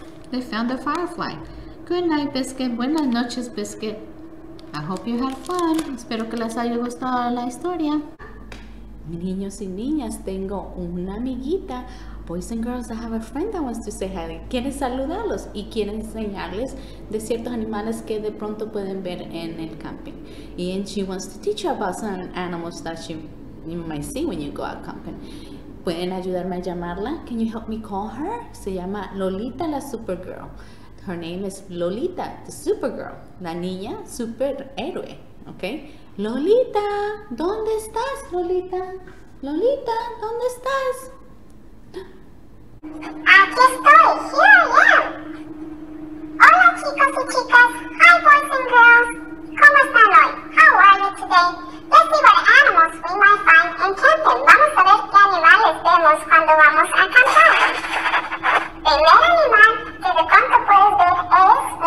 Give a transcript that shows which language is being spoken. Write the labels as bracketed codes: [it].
[en] They found a firefly. Good night, Biscuit. [es] Buenas noches, Biscuit. [en] I hope you had fun. [es] Espero que les haya gustado la historia. Niños y niñas, tengo una amiguita. [en] Boys and girls, I have a friend that wants to say hi. [es] Quiere saludarlos y quiere enseñarles de ciertos animales que de pronto pueden ver en el camping. [en] And she wants to teach you about some animals that you might see when you go out camping. [es] ¿Pueden ayudarme a llamarla? [en] Can you help me call her? [es] Se llama Lolita la Supergirl. [en] Her name is Lolita the Supergirl. [es] La niña superhéroe. [en] Okay? [es] Lolita, ¿dónde estás, Lolita? Lolita, ¿dónde estás? Aquí estoy, [en] here I am. [es] Hola chicos y chicas, [en] hi boys and girls. [es] ¿Cómo están hoy? [en] How are you today? Let's see what animals we might find in camping. [es] Vamos a ver qué animales vemos cuando vamos a acampar. Primer animal que de pronto puedes ver es